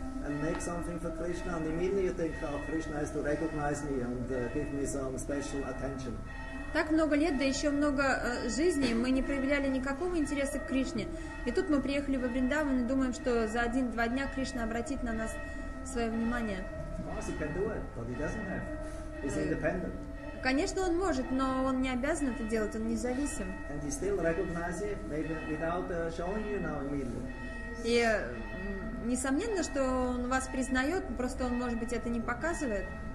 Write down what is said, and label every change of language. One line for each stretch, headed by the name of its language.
English: And make something for Krishna, and immediately you think, oh, Krishna has to recognize me and give me some special attention.
Russian: Так много лет, да еще много жизней, мы не проявляли никакого интереса к Кришне. И тут мы приехали во Вриндаван и думаем, что за 1-2 дня Кришна обратит на нас свое внимание.
English: Yes, he can do it, but he doesn't have. He's independent.
Russian: Конечно, он может, но он не обязан это делать, он независим.
English: And he still recognizes you, maybe without showing you now immediately.
Russian: И несомненно, что он вас признает, просто он, может быть, это не показывает.